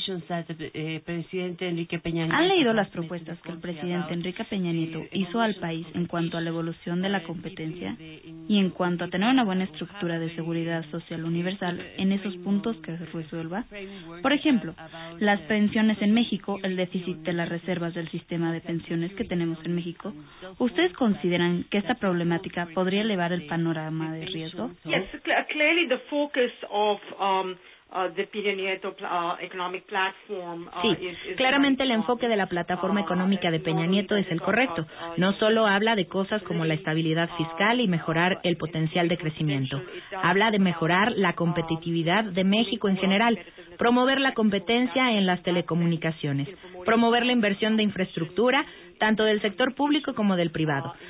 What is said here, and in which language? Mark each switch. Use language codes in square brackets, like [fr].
[es] ¿Han leído las propuestas que el presidente Enrique Peña Nieto hizo al país en cuanto a la evolución de la competencia y en cuanto a tener una buena estructura de seguridad social universal en esos puntos que se resuelva? Por ejemplo, las pensiones en México, el déficit de las reservas del sistema de pensiones que tenemos en México. ¿Ustedes consideran que esta problemática podría elevar el panorama de riesgo? [en] Yes, clearly the focus of the Peña Nieto economic platform. [es] Sí, claramente el enfoque de la plataforma económica de Peña Nieto es el correcto. No solo habla de cosas como la estabilidad fiscal y mejorar el potencial de crecimiento. Habla de mejorar la competitividad de México en general, promover la competencia en las telecomunicaciones, promover la inversión de infraestructura, tanto del sector público como del privado.